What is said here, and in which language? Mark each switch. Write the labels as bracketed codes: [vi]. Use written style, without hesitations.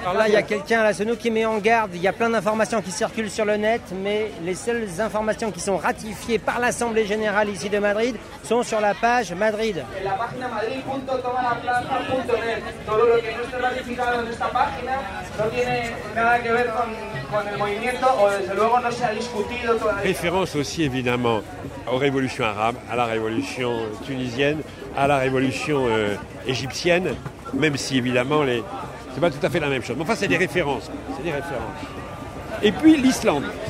[fr] Alors là, il y a quelqu'un, là, c'est nous qui met en garde. Il y a plein d'informations qui circulent sur le net, mais les seules informations qui sont ratifiées par l'Assemblée Générale ici de Madrid sont sur la page Madrid. [es] En la página madrid.tomalaplaza.net. Todo lo que no esté ratificado en esta página no tiene nada que ver con... [fr] Référence aussi évidemment aux révolutions arabes, à la révolution tunisienne, à la révolution égyptienne, même si évidemment les... c'est pas tout à fait la même chose. Mais enfin, c'est des références. C'est des références. Et puis l'Islande.